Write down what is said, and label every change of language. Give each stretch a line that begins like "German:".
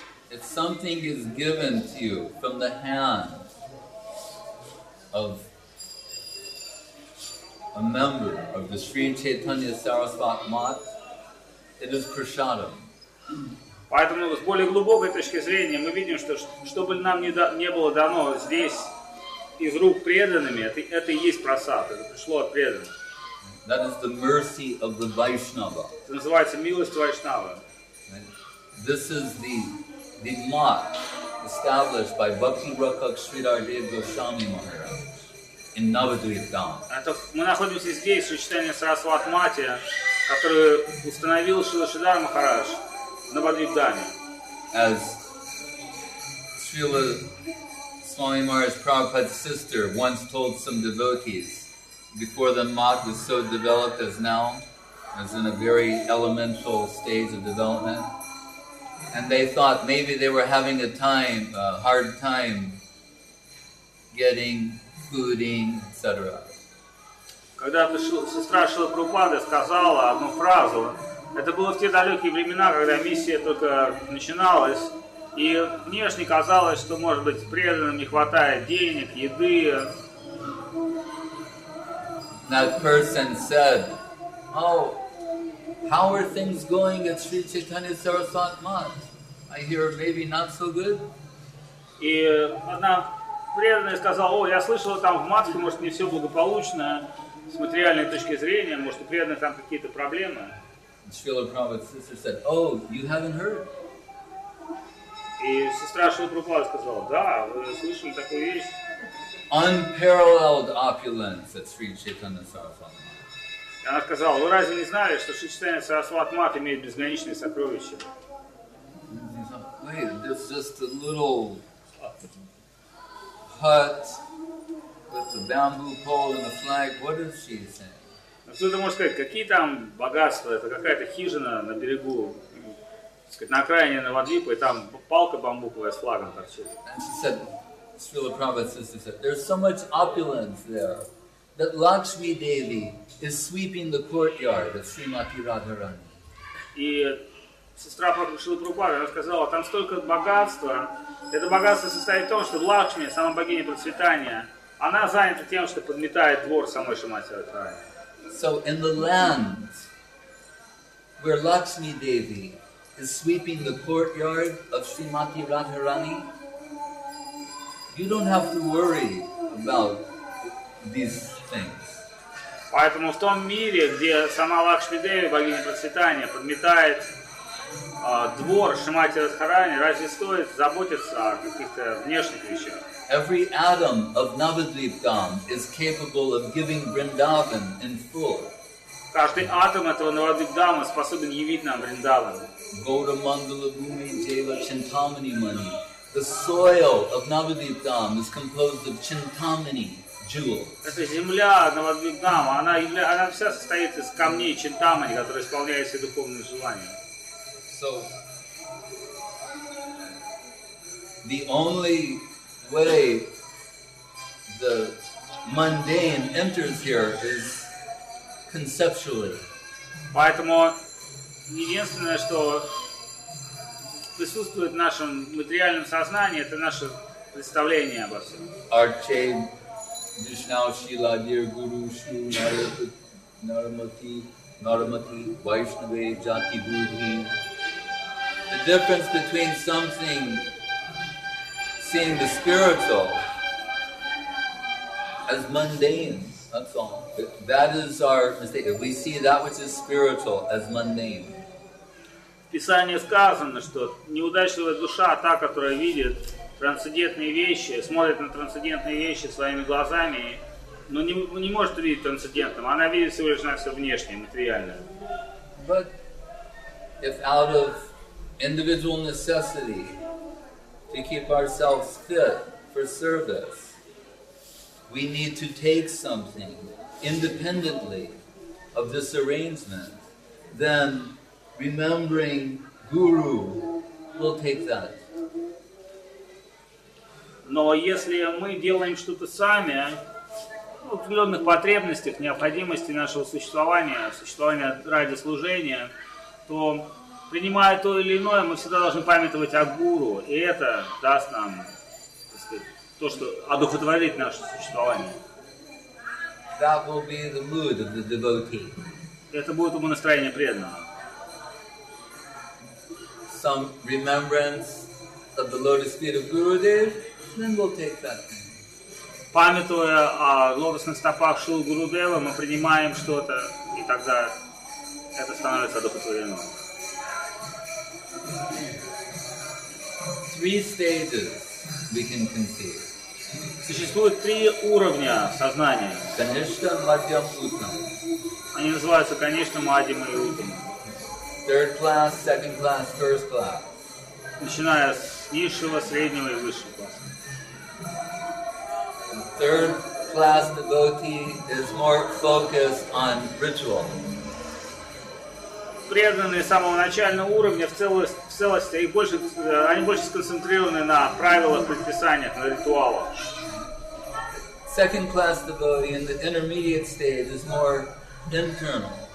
English: If something is given to you from the hand of a member of the Sri Chaitanya Sarasvat Math, it is prasadam.
Russian: Поэтому с более глубокой точки зрения мы видим, что чтобы нам не было дано здесь из рук преданными, это и есть прасад, это пришло от преданных.
English: That is the mercy of the Vaishnava.
Russian: Это называется милость Вайшнава.
English: This is the math established by Bhakti Rakak Sridhar Dev Goswami Maharaj. In Navadvipa.
Russian: Это мы находимся здесь, в сочетании Сарасват Мати, которую установил Шрила Шридхар Махарадж в Навадвипа.
English: As Шрила Swami Maharaj Prabhupada's sister once told some devotees, before the mat was so developed as now, as in a very elemental stage of development, and they thought maybe they were having a hard time getting fooding, etc.
Russian: Когда сестра Шрилы Прабхупады сказала одну фразу, это было в те далекие времена, когда миссия только начиналась, и внешне казалось, что, может быть, преданным не хватает денег, еды.
English: That person said, oh, how are things going at Sri Chaitanya Saraswati Mat? I hear maybe not so good.
Russian: И одна преданная сказала, о, я слышала там в матке, может, не все благополучно. С материальной точки зрения, может, у преданных там какие-то проблемы.
English: Srila Prabhupada's sister said, oh, you haven't heard?
Russian: И сестра Шрилы Прабхупады сказала, да, вы слышали такую вещь.
English: Unparalleled opulence at Sri Chaitanya Saraswati Mat.
Russian: И она сказала, вы разве не знали, что Sri Chaitanya Saraswati Mat имеет безграничные сокровища?
English: Wait, there's just a little hut. With a bamboo pole and a flag, what is she saying?
Russian: Ну что ты можешь сказать, какие там богатства? Это какая-то хижина на берегу, сказать, на окраине Навадвипы, и там палка бамбуковая с флагом торчит.
English: And she said, Srila Prabhupada's sister said, there's so much opulence there that Lakshmi Devi is sweeping the courtyard of Srimati Radharani.
Russian: И сестра Шрилы Прабхупады, она сказала, там столько богатства. Это богатство состоит в том, что Лакшми, сама богиня процветания, она занята тем, что подметает двор самой Шримати Радхарани.
English: So in the land where Lakshmi Devi is sweeping the courtyard of Srimati Radharani, you don't have to worry about these things.
Russian: Поэтому в том мире, где сама Лакшми Деви, богиня процветания, подметает двор Шримати Радхарани, разве стоит заботиться о каких-то внешних вещах?
English: Every atom of Navadvip Dham is capable of giving Vrindavan in full.
Russian: Каждый атом этого Навадвип Дхама способен явить нам Вриндаван.
Sanskrit: Гоуда Мандала Бхуми Джейва Чинтамани Мани.
English: The soil of Navadvip Dham is composed of Чинтамани jewels.
Russian: Это земля Навадвип Дхама, она вся состоит из камней Чинтамани, которые исполняют все духовные желания.
English: So, the only way the mundane enters here is conceptually.
Russian: Поэтому единственное, что присутствует в нашем материальном сознании, это наше представление обо всем.
Sanskrit: Арче Вишнау Шила Дир Гуру Шу Нарамати Нарамати Вайшнаве Джати Будхи.
English: The difference between something seeing the spiritual as mundane, that's all. That is our mistake. If we see that which is spiritual as mundane.
Russian: В Писании сказано, что неудачливая душа, та, которая видит трансцендентные вещи, смотрит на трансцендентные вещи своими глазами, но не может видеть трансцендентным, она видит всего лишь на все внешнее, материальное.
English: But if out of individual necessity to keep ourselves fit for service, we need to take something independently of this arrangement, then remembering Guru will take that.
Russian: Но если мы делаем что-то сами, в определенных потребностях, необходимости нашего существования, существования ради служения, то принимая то или иное, мы всегда должны памятовать о гуру, и это даст нам, так сказать, то, что одухотворит наше существование.
English: That will be the mood of the devotee.
Russian: Это будет ему настроение преданного.
English: Some remembrance of the lotus feet of Gurudev, then we'll take that.
Russian: Памятуя о лотосных стопах Шрилы Гурудева, мы принимаем что-то, и тогда это становится одухотворено.
English: Three stages we can conceive.
Russian: Существует три уровня сознания.
Sanskrit: Kanishtha, Madhyam, Uttam.
Russian: Они называются Kanishtha, Madhyam и Uttam.
English: Third class, second class, first class.
Russian: Начиная с низшего, среднего и высшего класса.
English: third class devotee is more focused on ritual.
Russian: Преданные самого начального уровня в целости, и больше, они больше сконцентрированы на правилах, предписаниях, на ритуалах.
English: Second class devotee in the intermediate stage is more internal.